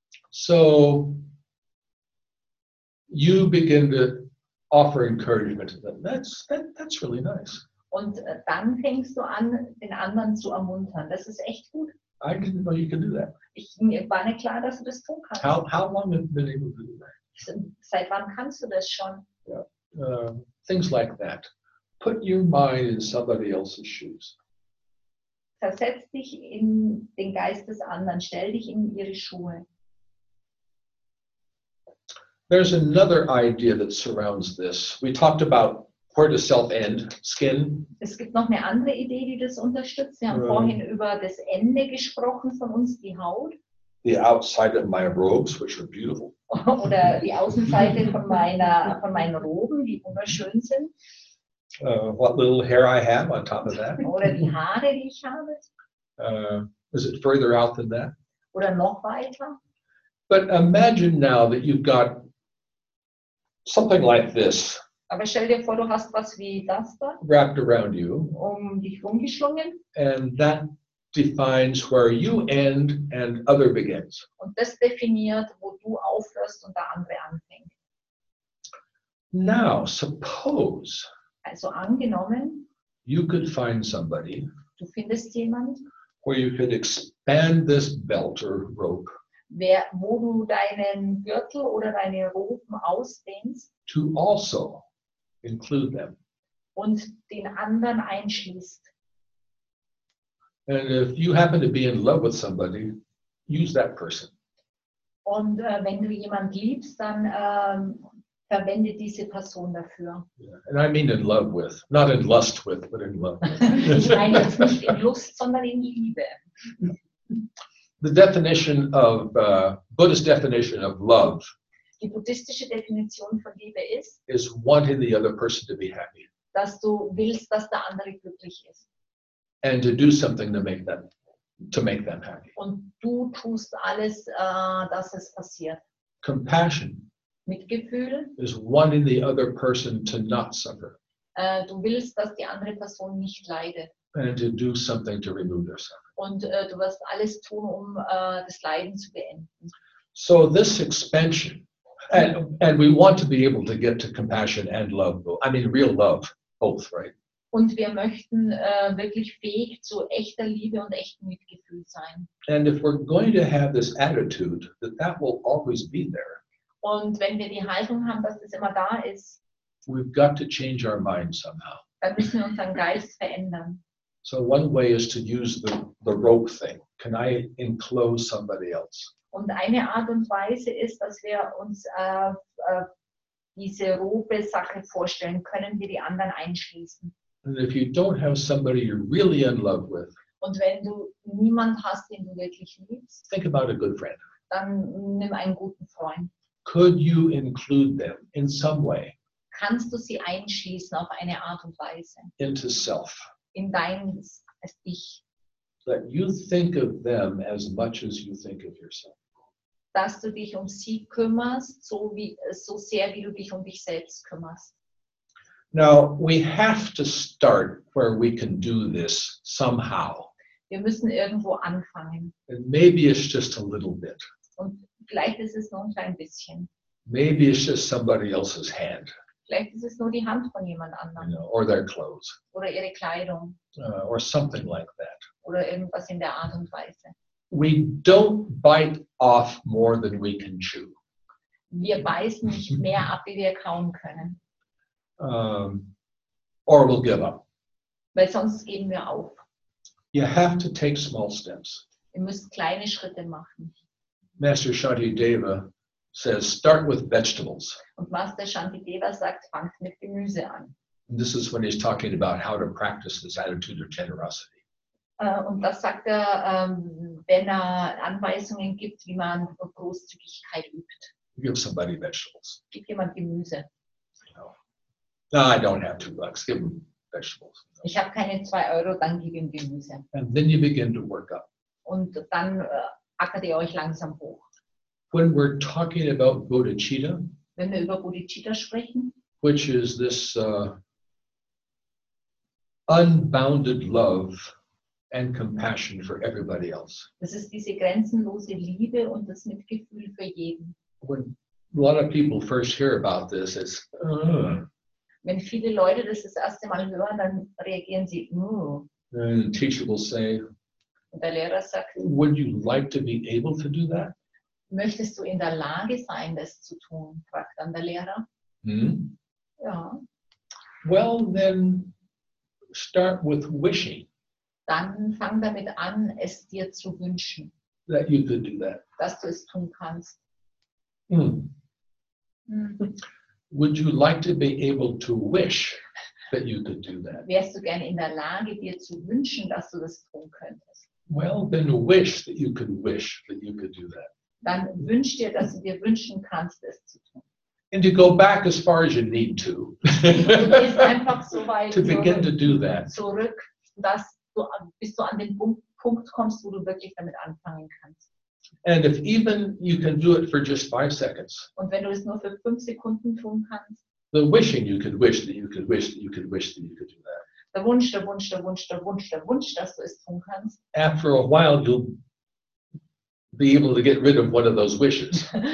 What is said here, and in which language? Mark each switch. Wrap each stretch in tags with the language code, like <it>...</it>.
<en>So, you begin to offer encouragement to them. That's really nice.</en> <de>Und dann fängst du an, den anderen zu ermuntern. Das ist echt gut.</de> <en>I didn't know you could do that.</en> <de>Mir war nicht klar, dass du das tun kannst.</de> <en>How long have you been able to do that?</en> <de>Seit wann kannst du das schon?</de> <en>Yeah. Things like that. Put your mind in somebody else's shoes.</en> <de>Versetz dich in den Geist des anderen. Stell dich in ihre Schuhe.</de> <en>There's another idea that surrounds this. We talked about where does self end, skin.</en> <de>Es gibt noch eine andere Idee, die das unterstützt. Wir haben vorhin über das Ende gesprochen von uns, die Haut.</de> <en>The outside of my robes, which are beautiful.</en> <de>Oder die Außenseite von meinen Roben, die wunderschön sind.</de> <en>What little hair I have on top of that.</en> <de>Oder die Haare, die ich habe.</de> <en>Is it further out than that?</en> <de>Oder noch weiter?</de> <en>But imagine now that you've got something like this.</en> <de>Aber stell dir vor, du hast was wie das da.</de> <en>Wrapped around you.</en> <de>Um dich rumgeschlungen.</de> <en>And that defines where you end and other begins.</en> <de>Und das definiert, wo du aufhörst und der andere anfängt.</de> <en>Now, suppose.</en> <de>Also angenommen,</de> <en>you could find somebody,</en> <de>du findest jemand,</de> <en>where you could expand this belt or rope,</en> <de>wo du deinen Gürtel oder deine Roben ausdehnst,</de> <en>to also include them,</en> <de>und den anderen einschließt.</de> <en>And if you happen to be in love with somebody, use that person.</en> <de>Und wenn du jemand liebst, dann verwende diese Person dafür.</de> <en>Yeah. And I mean in love with, not in lust with, but in love.</en> <de>Ich meine jetzt nicht in Lust, sondern in Liebe.</de> <en>The definition of Buddhist definition of love.</en> <de>Die buddhistische Definition von Liebe ist.</de> <en>Is wanting the other person to be happy.</en> <de>Dass du willst, dass der andere glücklich ist.</de> <en>And to do something to make them happy.</en> <de>Und du tust alles, dass es passiert.</de> <en>Compassion.</en> <de>Mitgefühl</de> <en>is wanting the other person to not suffer.</en> <de>Du willst, dass die andere Person nicht leidet.</de> <en>And to do something to remove their suffering.</en> <de>Und du wirst alles tun, um das Leiden zu beenden.</de> <en>So this expansion, and we want to be able to get to compassion and love. I mean real love, both, right?</en> <de>Und wir möchten wirklich fähig zu echter Liebe und echtem Mitgefühl sein.</de> <en>And if we're going to have this attitude, that will always be there.</en> <de>Und wenn wir die Haltung haben, dass das immer da ist,</de> <en>we've got to change our mind somehow.</en> <de>Dann müssen wir unseren Geist verändern.</de> <en>So one way is to use the rope thing. Can I enclose somebody else?</en> <de>Und eine Art und Weise ist, dass wir uns diese Rope-Sache vorstellen. Können wir die anderen einschließen?</de> <en>And if you don't have somebody you're really in love with,</en> <de>und wenn du niemand hast, den du wirklich liebst,</de> <en>think about a good friend.</en> <de>Dann nimm einen guten Freund.</de> <en>Could you include them in some way?</en> <de>Kannst du sie einschließen auf eine Art und Weise?</de> <en>Into self.</en> <de>In dein als Ich.</de> <en>That you think of them as much as you think of yourself.</en> <de>Dass du dich um sie kümmerst, so sehr wie du dich um dich selbst kümmerst.</de> <en>Now we have to start where we can do this somehow.</en> <de>Wir müssen irgendwo anfangen.</de> <en>And maybe it's just a little bit.</en> <de>Und vielleicht ist es nur ein klein bisschen.</de> <en>Maybe it's just somebody else's hand.</en> <de>Vielleicht ist es nur die Hand von jemand anderem.</de> <en>You know, or their clothes.</en> <de>Oder ihre Kleidung.</de> <en>Or something like that.</en> <de>Oder irgendwas in der Art und Weise.</de> <en>We don't bite off more than we can chew.</en> <de>Wir beißen nicht mehr ab, wie wir kauen können.</de> <en>Or we'll give up.</en> <de>Weil sonst geben wir auf.</de> <en>You have to take small steps.</en> <de>Ihr müsst kleine Schritte machen.</de> <en>Master Shantideva says, start with vegetables.</en> <de>Und Master Shantideva sagt, fangt mit Gemüse an.</de> <en>This is when he's talking about how to practice this attitude of generosity.</en> <de>Und das sagt er, wenn er Anweisungen gibt, wie man Großzügigkeit übt.</de> <en>Give somebody vegetables.</en> <de>Gib jemand Gemüse.</de> <en>No, I don't have $2. Give him vegetables.</en> <de>Ich habe keine 2 Euro, dann gib ihm Gemüse.</de> <en>And then you begin to work up.</en> <de>Und dann ackert ihr euch langsam hoch.</de> <en>When we're talking about bodhicitta,</en> <de>wenn wir über bodhicitta sprechen,</de> <en>which is this unbounded love and compassion for everybody else.</en> <de>Das ist diese grenzenlose Liebe und das Mitgefühl für jeden.</de> <en>When a lot of people first hear about this, it's</en> <de>Wenn viele Leute das erste Mal hören, dann reagieren sie</de> <en>And the teacher will say,</en> <de>der Lehrer sagt,</de> <en>would you like to be able to do that?</en> <de>Möchtest du in der Lage sein, das zu tun? Fragt dann der Lehrer. Ja.</de> <en>Well, then start with wishing.</en> <de>Dann fang damit an, es dir zu wünschen.</de> <en>That you could do that.</en> <de>Dass du es tun kannst.</de> <en>Would you like to be able to wish that you could do that?</en> <de>Wärst du gerne in der Lage, dir zu wünschen, dass du das tun könntest?</de> <en>Well, then wish that you could wish that you could do that.</en> <de>Dann wünsch dir, dass du dir wünschen kannst, es zu tun.</de> <en>And to go back as far as you need to.</en> <de>Ist einfach so weit</de> <en>to begin to do that.</en> <de>Zurück, dass du, bis du an den Punkt kommst, wo du wirklich damit anfangen kannst.</de> <en>And if even you can do it for just 5 seconds.</en> <de>Und wenn du es nur für 5 Sekunden tun kannst.</de> <en>The wishing you could wish that you could wish that you could wish that you could do that.</en> <de>Der Wunsch, der Wunsch, der Wunsch, der Wunsch, der Wunsch, dass du es tun kannst.</de> <en>After a while you'll be able to get rid of one of those wishes.</en>